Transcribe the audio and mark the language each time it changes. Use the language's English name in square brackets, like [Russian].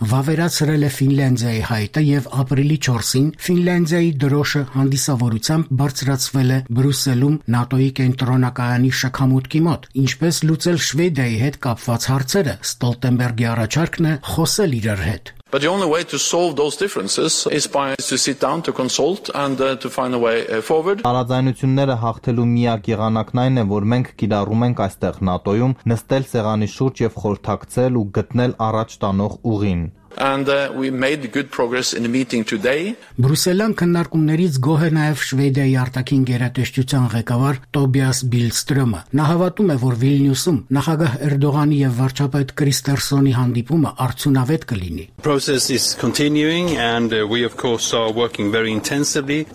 [Armenian] վավերացրել է Ֆինլանդիայի հայտը, և ապրիլի 4-ին Ֆինլանդիայի դրոշը հանդիսավորությամբ բարձրացվել է Բրյուսելում ՆԱՏՕ-ի կենտրոնակայանի շքամուտքի մոտ։ Ինչպես լուծել Շվեդիայի հետ կապված հարցերը, Ստոլտենբերգի առաջարկն է խոսել իրար հետ։ [English] But the only way to solve those differences is by to sit down, to consult and to find a way forward. [Armenian] Հարաձայնությունները հաղթելու միակ եղանակն այն է, որ մենք կիրառում ենք այստեղ ՆԱՏՕ-ում նստել սեղանի շուրջ և խորհրդակցել ու գտնել առաջ տանող ուղին։ [English] And we made good progress in the meeting today. [Armenian] Բրյուսելյան քննարկումներից գոհ է նաև Շվեդիայի արտաքին գերատեսչության ղեկավար Տոբիաս Բիլստրոմը։ Նա հավատում է, որ Վիլնյուսում նախագահ Էրդողանի և վարչապետ Կրիստերսոնի հանդիպումը արդյունավետ կլինի։ [English] Process is continuing and we of course are working very intensively.